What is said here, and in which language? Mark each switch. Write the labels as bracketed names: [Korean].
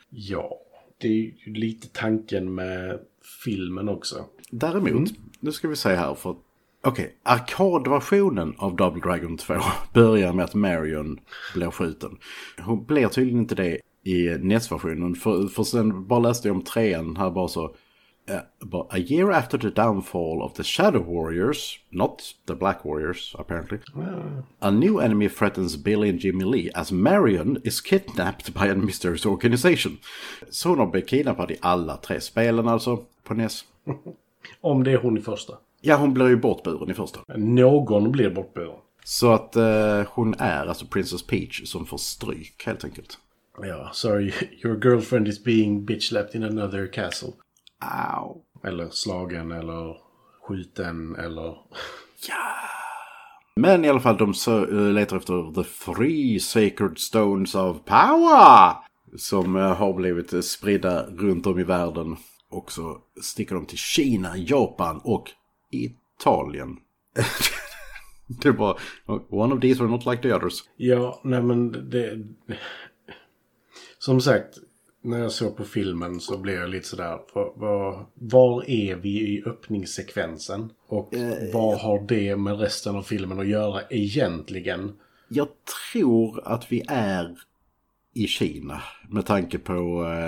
[Swedish] Ja, det är ju lite tanken med filmen också. Däremot, nu ska vi säga här, för okej, arkadversionen av Double Dragon 2 börjar med att Marion blir skjuten. Hon blir tydligen inte det i NES-versionen, för sen bara läste jag om trean här bara så. [English] A year after the downfall of the Shadow Warriors, not the Black Warriors, apparently, a new enemy threatens Billy and Jimmy Lee as Marion is kidnapped by a mysterious organization. [Swedish] Så hon har blivit kidnappad i alla tre spelen alltså, på NES. Om det är hon i första. Ja, hon blir ju bortburen i första. Någon blir bortburen. Så att hon är alltså Princess Peach som får stryk, helt enkelt. [English] Ja, sorry, your girlfriend is being bitchlapped in another castle. Ow. [Swedish] Eller slagen, eller skjuten, eller... Ja! Men i alla fall, de letar efter [English] the three sacred stones of power! [Swedish] Som har blivit spridda runt om i världen. Och så sticker de till Kina, Japan och Italien. Det var [English] one of these were not like the others. [Swedish] Ja, nej men det... Som sagt, när jag såg på filmen så blev jag lite sådär, var är vi i öppningssekvensen? Och vad har det med resten av filmen att göra egentligen? Jag tror att vi är i Kina, med tanke på...